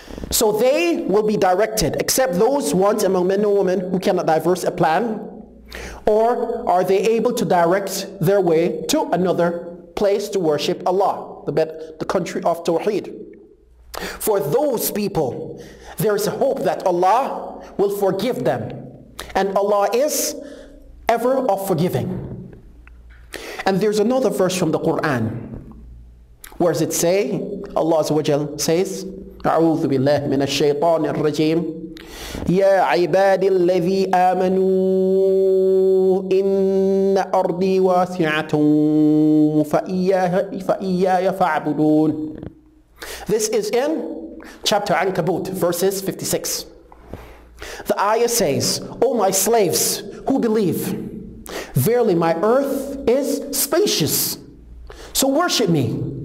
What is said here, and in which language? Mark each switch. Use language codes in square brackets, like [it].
[en] So they will be directed, except those ones among men and women who cannot diverse a plan, or are they able to direct their way to another place to worship Allah, the country of Tawheed. For those people, there is a hope that Allah will forgive them, and Allah is ever of forgiving. And there's another verse from the Quran. Where does it say? Allah says, [ar] أعوذ بالله من الشيطان الرجيم يا عباد الذي آمنوا إن أرضي واسعة فإياه فاعبدون. [en] This is in chapter Ankabut, verses 56. The ayah says, O my slaves who believe, verily my earth is spacious, so worship me.